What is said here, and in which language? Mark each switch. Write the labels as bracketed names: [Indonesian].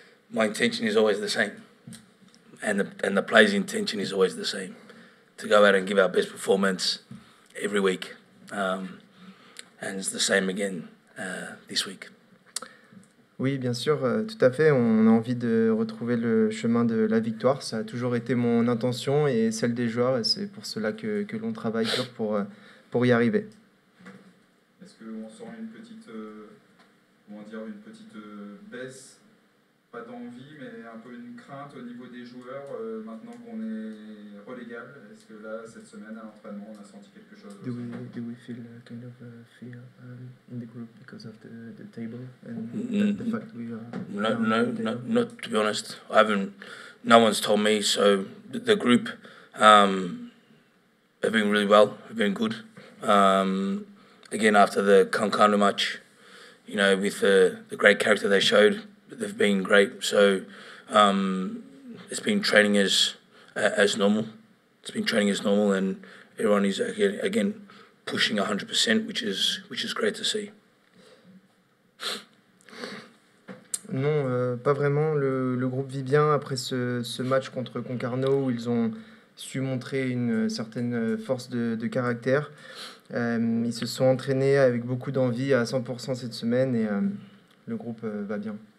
[English] My intention is always the same, and the players' intention is always the same, to go out and give our best performance every week, and it's the same again this week. [French] Oui, bien sûr, tout à fait. On a envie de retrouver le chemin de la victoire. Ça a toujours été mon intention et celle des joueurs. Et c'est pour cela que l'on travaille dur pour y arriver. Est-ce qu'on sent une petite, comment dire, une petite baisse, pas d'envie, mais un peu une crainte au niveau des joueurs maintenant qu'on est relégable? Est-ce que là, cette semaine, à l'entraînement, on a senti quelque chose de ça? [English] Do we feel a kind of fear in the group because of the table and the No, fact we are down on the table? not to be honest. I haven't. No one's told me. So the group have been really well. Have been good. Again, after the Kankanu match, you know, with the great character they showed, they've been great. So it's been training as normal. It's been training as normal, and everyone is again pushing 100%, which is great to see. [French] Non, pas vraiment. Le groupe vit bien après ce match contre Concarneau où ils ont su montrer une certaine force de caractère. Ils se sont entraînés avec beaucoup d'envie à 100% cette semaine et le groupe va bien.